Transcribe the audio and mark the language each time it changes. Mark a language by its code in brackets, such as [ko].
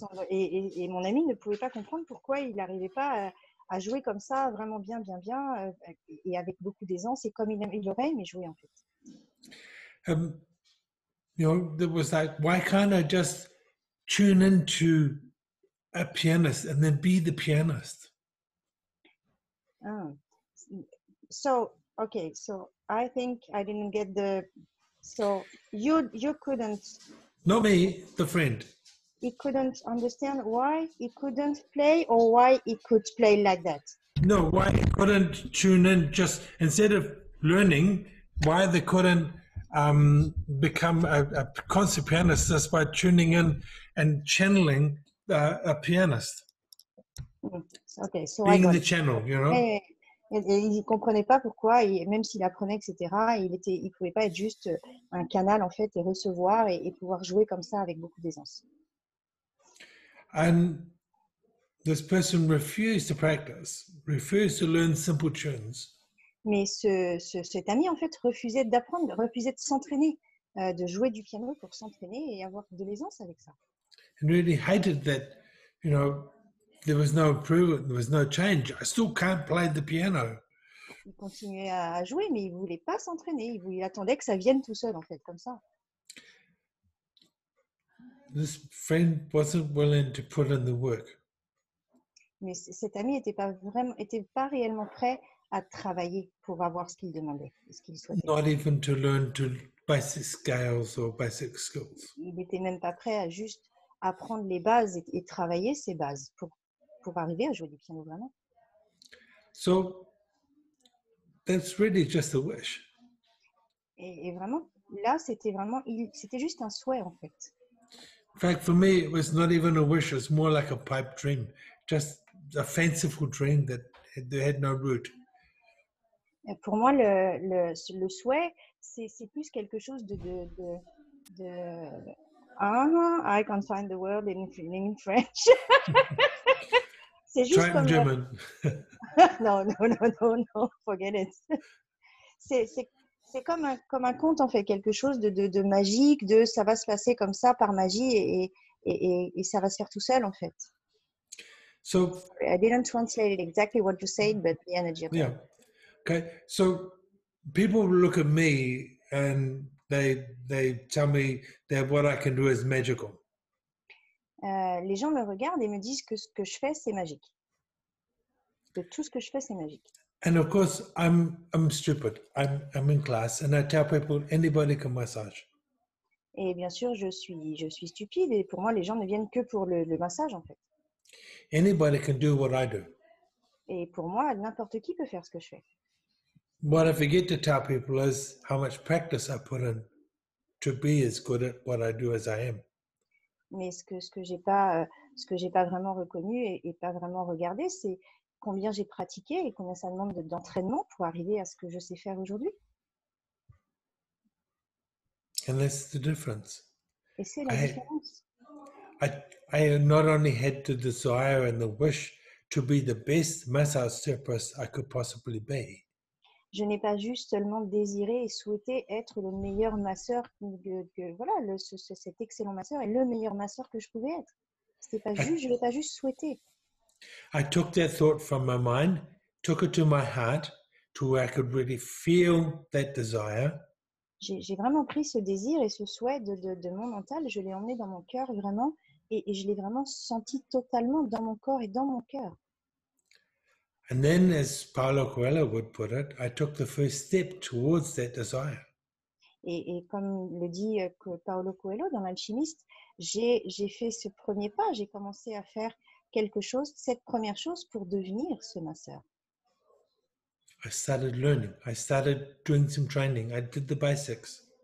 [fr] Et mon ami ne pouvait pas comprendre pourquoi il n'arrivait pas à jouer comme ça, vraiment bien, bien, bien, et avec beaucoup d'aisance, et comme il aurait aimé jouer en fait. [en] You know, there was like, why can't I just tune into a pianist and then be the pianist? I think I didn't get the. So you couldn't. Not me, the friend. He couldn't understand why he couldn't play or why he could play like that. No, why he couldn't tune in, just instead of learning, why they couldn't become a concert pianist just by tuning in and channeling a pianist. Okay, so being I got the channel, you know. [fr] Et il ne comprenait pas pourquoi, et même s'il apprenait, etc., il ne pouvait pas être juste un canal, en fait, et recevoir et pouvoir jouer comme ça avec beaucoup d'aisance. [en] And this person refused to practice, refused to learn simple tunes. [fr] Mais cet ami, en fait, refusait d'apprendre, refusait de s'entraîner, de jouer du piano pour s'entraîner et avoir de l'aisance avec ça. [en] And really hated that, you know, there was no improvement, there was no change. I still can't play the piano. [fr] Il continuait à jouer, mais il voulait pas s'entraîner. Il attendait que ça vienne tout seul, en fait, comme ça. [en] This friend wasn't willing to put in the work. [fr] Mais cet ami était pas réellement prêt à travailler pour avoir ce qu'il demandait, ce qu'il souhaitait. [en] Not even to learn to basic scales or basic skills. [fr] Il était même pas prêt à juste apprendre les bases et travailler ses bases pour arriver à jouer du piano vraiment. [en] So that's really just a wish. [fr] Et vraiment, là, c'était juste un souhait en fait. [en] In fact, for me, it was not even a wish. It was more like a pipe dream, just a fanciful dream that had no root. [fr] Et pour moi, le souhait, c'est plus quelque chose de [en] I can't find the word in French. [fr] C'est juste [en] try [fr] comme [en] German. non, forget it. [fr] C'est comme un conte en fait, quelque chose de magique, de ça va se passer comme ça par magie et ça va se faire tout seul en fait. [en] So I didn't translate it exactly what you said, but the energy. Yeah. Okay. So people look at me and they tell me that what I can do is magical. [fr] Les gens me regardent et me disent que ce que je fais, c'est magique. Que tout ce que je fais, c'est magique. [en] And of course, I'm stupid. I'm in class and I tell people anybody can massage. [fr] Et bien sûr, je suis stupide et pour moi, les gens ne viennent que pour le massage, en fait. [en] Anybody can do what I do. [fr] Et pour moi, n'importe qui peut faire ce que je fais. [en] What I forget to tell people is how much practice I put in to be as good at what I do as I am. [fr] Mais ce que j'ai pas vraiment reconnu et pas vraiment regardé, c'est combien j'ai pratiqué et combien ça demande d'entraînement pour arriver à ce que je sais faire aujourd'hui. [en] And that's the difference. [fr] Et c'est la différence. [en] I not only had the desire and the wish to be the best massage therapist I could possibly be. [fr] Je n'ai pas juste seulement désiré et souhaité être le meilleur masseur que voilà cet excellent masseur et le meilleur masseur que je pouvais être. C'était pas juste, je l'ai pas juste souhaité. [en] I took that thought from my mind, took it to my heart, to where I could really feel that desire. [fr] J'ai vraiment pris ce désir et ce souhait de mon mental, je l'ai emmené dans mon cœur vraiment, et je l'ai vraiment senti totalement dans mon corps et dans mon cœur. [en] And then, as Paulo Coelho would put it, I took the first step towards that desire. [fr] Et comme le dit Paulo Coelho dans l'Alchimiste, j'ai fait ce premier pas, j'ai commencé à faire quelque chose, cette première chose pour devenir ce masseur. [en] I started learning. I started doing some training. I did the basics.